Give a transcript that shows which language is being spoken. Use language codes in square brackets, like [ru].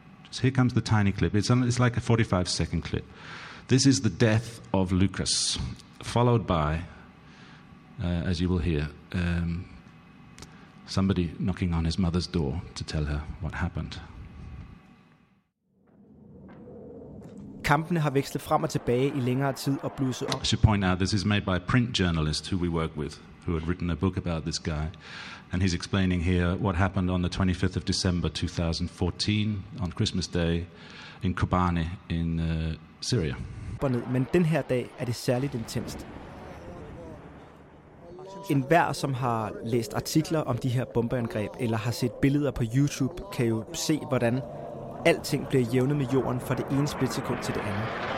[en] So here comes the tiny clip. It's like a 45-second clip. This is the death of Lucas, followed by, as you will hear, somebody knocking on his mother's door to tell her what happened. [da] Kampene har vekslet frem og tilbage i længere tid og blusset op. [en] I should point out, this is made by a print journalist who we work with, who had written a book about this guy. And he's explaining here what happened on the 25th of December 2014 on Christmas Day in Kobani in Syria. [da] Men den her dag er det særligt intenst. enhver, som har læst artikler om de her bombeangreb, eller har set billeder på YouTube, kan jo se, hvordan alting bliver jævnet med jorden fra det ene splitsekund til det andet.